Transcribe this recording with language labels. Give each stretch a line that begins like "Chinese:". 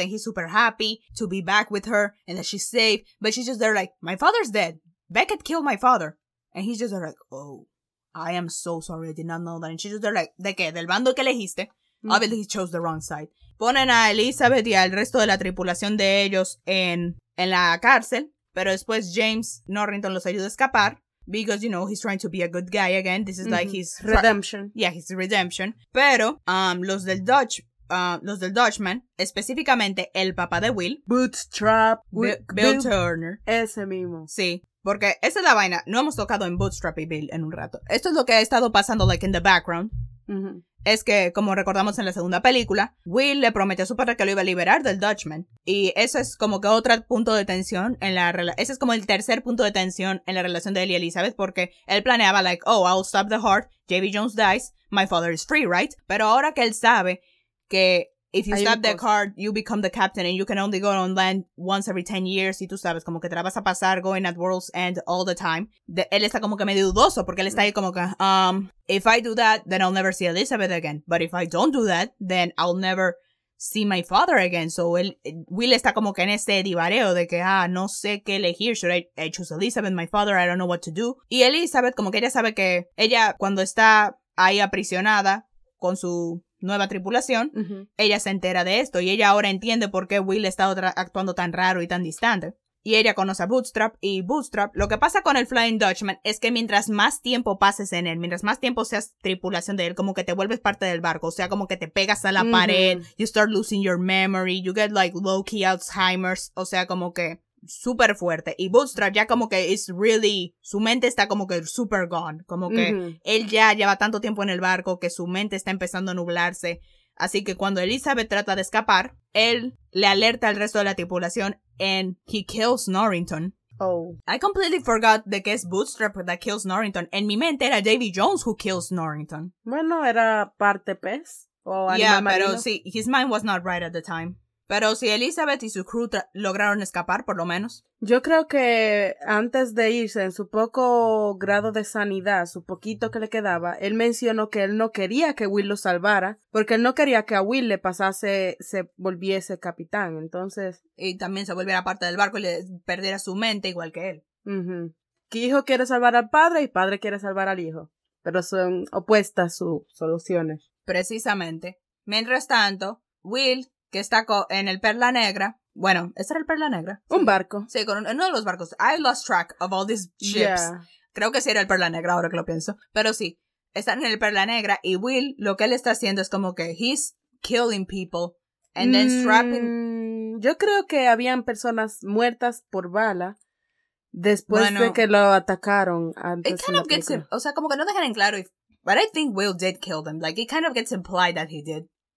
English: And he's super happy to be back with her. And that she's safe. But she's just there like, my father's dead. Beckett killed my father. And he's just there like, oh, I am so sorry. I did not know that. And she's just there like,
Spanish: ¿de qué? ¿Del bando que elegiste?
English: Mm-hmm. Obviously he chose the wrong side.
Spanish: Ponen a Elizabeth y al resto de la tripulación de ellos en la cárcel. Pero después James Norrington los ayuda a escapar.
English: Because, you know, he's trying to be a good guy again. This is like his... redemption. His redemption.
Spanish: Pero los del Dutchman, específicamente el papá de Will.
English: Bootstrap. Bill Turner.
Spanish: Ese mismo. Sí. Porque esa es la vaina. No hemos tocado en Bootstrap y Bill en un rato. Esto es lo que ha estado pasando,
English: like, in the background.
Spanish: Es que, como recordamos en la segunda película, Will le prometió a su padre que lo iba a liberar del Dutchman. Y eso es como que otro punto de tensión en la relación. Ese es como el tercer punto de tensión en la relación de él y Elizabeth, porque él planeaba,
English: like, oh, I'll stop the heart, Davy Jones dies, my father is free, right?
Spanish: Pero ahora que él sabe que
English: if you stop the heart, you become the captain and you can only go on land once every 10 years,
Spanish: y tú sabes, como que te la vas a pasar
English: going at world's end all the time,
Spanish: él está como que medio dudoso, porque él está ahí como que,
English: if I do that, then I'll never see Elizabeth again. But if I don't do that, then I'll never see my father again. So
Spanish: Will está como que en ese divareo de que, no sé qué elegir.
English: Should I choose Elizabeth, my father? I don't know what to do.
Spanish: Y Elizabeth, como que ella sabe que ella, cuando está ahí aprisionada con su nueva tripulación, ella se entera de esto. Y ella ahora entiende por qué Will está actuando tan raro y tan distante. Y ella conoce a Bootstrap, y Bootstrap, lo que pasa con el Flying Dutchman es que mientras más tiempo pases en él, mientras más tiempo seas tripulación de él, como que te vuelves parte del barco, o sea, como que te pegas a la pared,
English: you start losing your memory, you get like low-key Alzheimer's,
Spanish: o sea, como que súper fuerte. Y Bootstrap ya como que
English: is really,
Spanish: su mente está como que
English: super gone,
Spanish: como que él ya lleva tanto tiempo en el barco que su mente está empezando a nublarse. Así que cuando Elizabeth trata de escapar, él le alerta al resto de la tripulación
English: and he kills Norrington. Oh. I completely forgot the guest Bootstrap that kills Norrington.
Spanish: En mi mente era Davy Jones
English: who kills Norrington.
Spanish: Bueno, era parte pez.
English: Yeah,
Spanish: pero sí,
English: his mind was not right at the time.
Spanish: Pero si Elizabeth y su crew lograron escapar, por lo menos. Yo creo que antes de irse, en su poco grado de sanidad, su poquito que le quedaba, él mencionó que él no quería que Will lo salvara, porque él no quería que a Will le pasase, se volviese capitán, entonces... Y también se volviera parte del barco y le perdiera su mente igual que él. Uh-huh. Que hijo quiere salvar al padre y padre quiere salvar al hijo. Pero son opuestas sus soluciones. Precisamente. Mientras tanto, Will... que está en el Perla Negra. Bueno, ¿ese era el Perla Negra? Un barco. Sí, con uno de los barcos.
English: I lost track of all these ships. Yeah.
Spanish: Creo que sí era el Perla Negra, ahora que lo pienso. Pero sí, están en el Perla Negra y Will, lo que él está haciendo es como que
English: he's killing people and then strapping...
Spanish: Yo creo que habían personas muertas por bala después bueno, de que lo atacaron. Antes
English: it kind of gets...
Spanish: O sea, como que no dejan en claro.
English: But I think Will did kill them. Like, it kind of gets implied that he did.